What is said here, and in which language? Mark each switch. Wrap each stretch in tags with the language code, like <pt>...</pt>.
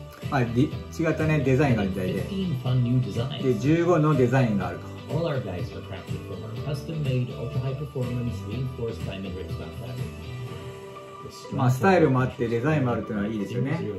<ja>まあ、違ったねデザインがあるみたいで、で15のデザインがあると。</ja> <en>All our bags are crafted from our custom-made ultra-high performance reinforced diamond ring spun fabric.</en> <ja>まあ、スタイルもあってデザインもあるというのはいいですよね。</ja>